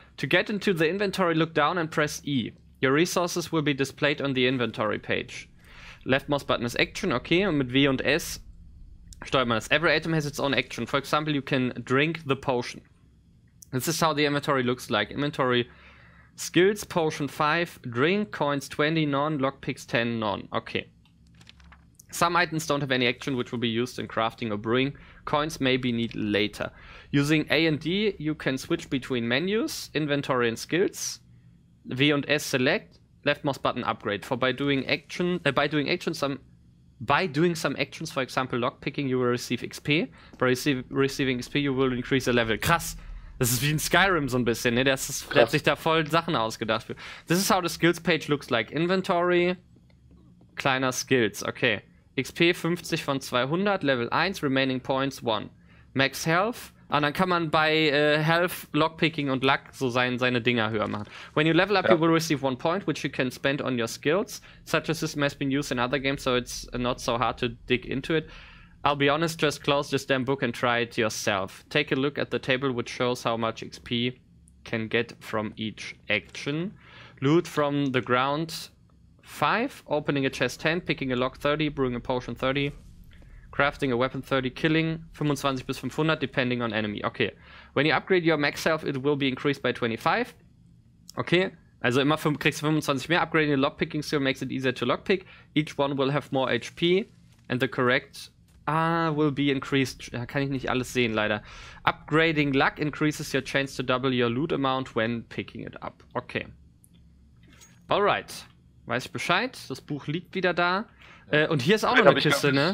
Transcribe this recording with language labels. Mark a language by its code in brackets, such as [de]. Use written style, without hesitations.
[en] To get into the inventory, look down and press E. Your resources will be displayed on the inventory page. Left mouse button is action, okay, [de] und mit W und S steuert man das. [en] Every item has its own action. For example, you can drink the potion. This is how the inventory looks like. Inventory skills, potion 5, drink, coins 20, none, lockpicks 10, none. Okay. Some items don't have any action which will be used in crafting or brewing. Coins may be needed later. Using A and D, you can switch between menus, inventory and skills. V and S select, left mouse button upgrade. For by doing some actions, for example lockpicking, you will receive XP. By receiving XP, you will increase the level. [de] Krass! Das ist wie in Skyrim so ein bisschen, ne? Der hat sich da voll Sachen ausgedacht. [en] This is how the skills page looks like. [de] Inventory, kleiner Skills, okay. [en] XP 50 von 200, Level 1, remaining points 1. Max Health. [de] Ah, dann kann man bei Health, Lockpicking und Luck so seine Dinger höher machen. [en] When you level up, you will receive 1 point, which you can spend on your skills. Such a system has been used in other games, so it's not so hard to dig into it. I'll be honest, just close this damn book and try it yourself. Take a look at the table, which shows how much XP can get from each action. Loot from the ground 5, opening a chest 10, picking a lock 30, brewing a potion 30, crafting a weapon 30, killing 25 bis 500, depending on enemy. Okay, when you upgrade your max health, it will be increased by 25. [de] Okay, also immer kriegst du 25 mehr. [en] Upgrading the lockpicking skill makes it easier to lockpick. Each one will have more HP and the correct will be increased. [de] Ja, kann ich nicht alles sehen, leider. [en] Upgrading luck increases your chance to double your loot amount when picking it up. Okay. Alright. [de] Weiß ich Bescheid, das Buch liegt wieder da. Und hier ist auch noch eine Kiste, ne?